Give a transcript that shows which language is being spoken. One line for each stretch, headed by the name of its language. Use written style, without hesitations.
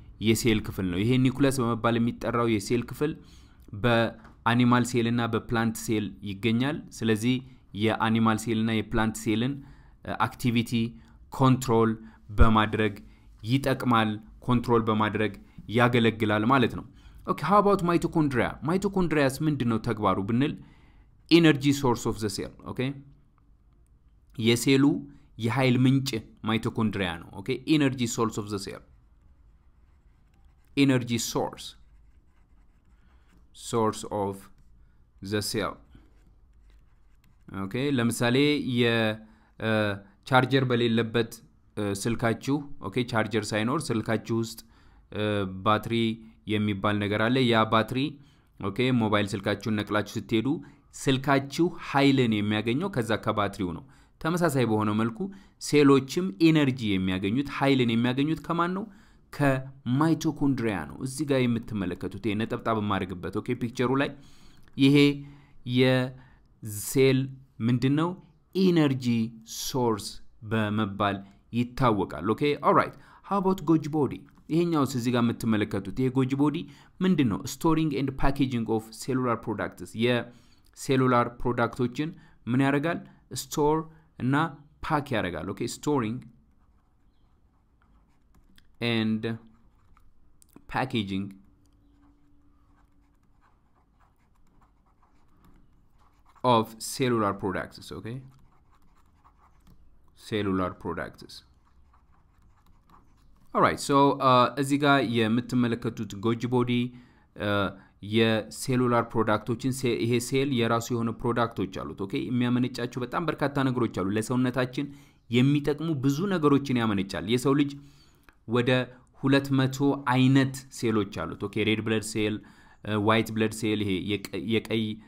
Amharic: የሴል ክፍል ነው። ይሄ ኒኩለስ በመባል የሚጠራው የሴል ክፍል በአኒማል ሴል እና በፕላንት ሴል ይገኛል። ስለዚህ የአኒማል ሴል እና የፕላንት ሴልን አክቲቪቲ ኮንትሮል በማድረግ ይጠቅማል፣ ኮንትሮል በማድረግ ያገለግላል ማለት ነው። ኦኬ
English: how about mitochondria? Mitochondrias
Amharic: ምንድነው ተግባሩ ብንል
English: energy source of the cell.
Amharic: Okay, የሴሉ የኃይል ምንጭ ማይቶኮንድሪያ ነው። ኦኬ
English: energy source of the cell, energy source of the cell.
Amharic: ኦኬ ለምሳሌ የቻርጀር በሌለበት ስልካችሁ ኦኬ ቻርጀር ሳይኖር ስልካችሁ ውስጥ ባትሪ የሚባል ነገር አለ። ያ ባትሪ ኦኬ ሞባይል ስልካችሁን ነቅላችሁ ስትሄዱ ስልካችሁ ኃይልን የሚያገኘው ከዛ ከባትሪው ነው። ተመሳሳይ በሆነ መልኩ ሴሎችም ኤነርጂ የሚያገኙት ኃይልን የሚያገኙት ከማን ነው? ከማይቶኮንድሪያ ነው። እዚህ ጋር የምትመለከቱት የነጠብጣብ ማድረግበት ኦኬ ፒክቸሩ ላይ ይሄ የሴል ምንድነው ኤነርጂ ሶርስ በመባል ይታወቃል። ኦኬ ኦራይት
English: how about
Amharic: ጎጅ ቦዲ? ይሄኛውስ እዚህ ጋር የምትመለከቱት ይሄ ጎጅ ቦዲ ምንድነው?
English: storing and packaging of cellular products.
Amharic: የሴሉላር ፕሮዳክቶችን ምን ያደርጋል?
English: store
Amharic: እና ፓክ ያደርጋል። ኦኬ
English: storing and packaging of cellular products. ኦኬ cellular products. All right, so
Amharic: እዚህ ጋር የምትመለከቱት ጎጅ ቦዲ የሴሉላር ፕሮዳክቶችን ይሄ ሴል የራሱ የሆነ ፕሮዳክቶች አሉት። ኦኬ የሚያመነጫቸው በጣም በርካታ ነገሮች አሉ። ለሰውነታችን የሚጠቅሙ ብዙ ነገሮችን ያመነጫል። የሰው ልጅ ወደ 200 አይነት ሴሎች አሉት። ኦኬ ሬድ ብለድ ሴል፣ ዋይት ብለድ ሴል፣ ይሄ የቀይ